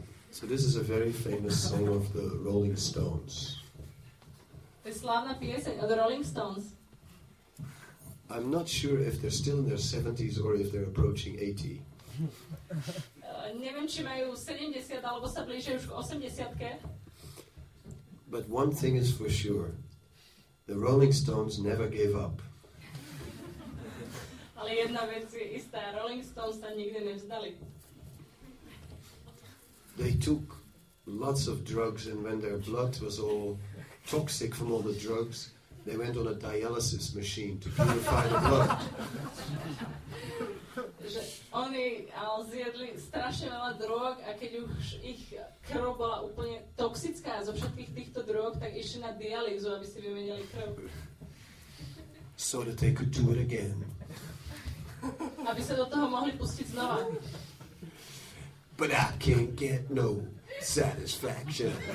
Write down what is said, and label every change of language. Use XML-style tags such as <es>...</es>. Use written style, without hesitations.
<en>So this is a very famous song of the Rolling Stones.</en> <sk>To je slávna pieseň od Rolling Stones.</sk> <en>I'm not sure if they're still in their 70s or if they're approaching 80.</en> <sk>Neviem, či majú 70 alebo sa blížia už k 80-ke.</sk> <en>But one thing is for sure. The Rolling Stones never gave up.</en> <sk>Ale jedna vec je istá, Rolling Stones sa nikdy nevzdali.</sk> <en>They took lots of drugs, and when their blood was all toxic from all the drugs, they went on a dialysis machine to purify the blood.</en> <sk>Oni zjedli strašne veľa drog a keď už ich krv bola úplne toxická zo všetkých týchto drog, tak išli na dialýzu, aby si vymenili krv.</sk> <en>So that they could do it again.</en> <sk>Aby sa do toho mohli pustiť znova.</sk> <en>But I can't get no satisfaction.</en>